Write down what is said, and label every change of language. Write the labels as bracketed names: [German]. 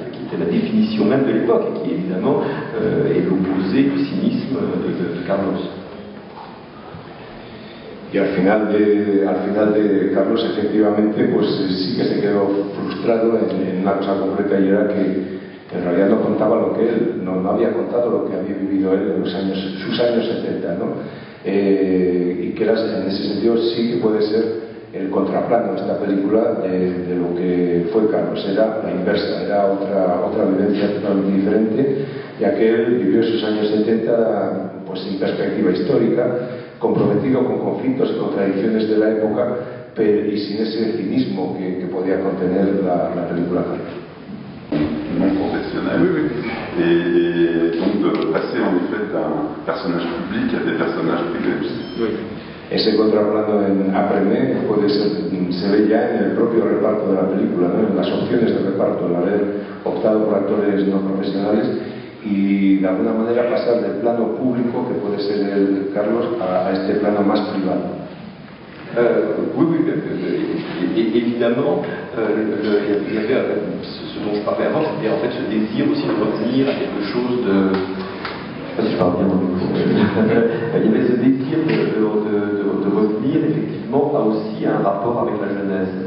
[French] C'est la définition même de l'époque, qui évidemment est l'opposé du cynisme de Carlos. [Spanish] Y al final de Carlos, efectivamente, pues sí que se quedó frustrado en una cosa concreta, y era que en realidad no contaba lo que él, no había contado lo que había vivido él en sus años 70, ¿no? Y que en ese sentido sí que puede ser el contraplano de esta película de lo que fue Carlos, era la inversa, era otra vivencia totalmente diferente, ya que él vivió sus años 70 pues sin perspectiva histórica, comprometido con conflictos y contradicciones de la época, pero, y sin ese cinismo que podía contener la película. Muy profesional. [French] Oui, oui. Et donc de passer en effet d'un personnage public à des personnages privés. Oui. [Spanish] Et ce contraplano en après-mai se ve ya en el propio reparto de la película, ¿no? En las opciones de reparto, al haber optado por actores no profesionales y de alguna manera pasar del plano público que puede ser el Carlos a este plano más privado. [French] Évidemment, il y avait ce dont je parlais avant, c'était en fait ce désir aussi de revenir à quelque chose de. Je sais pas si je parle bien dans le micro. Il y avait ce désir de revenir effectivement à aussi un rapport avec la jeunesse.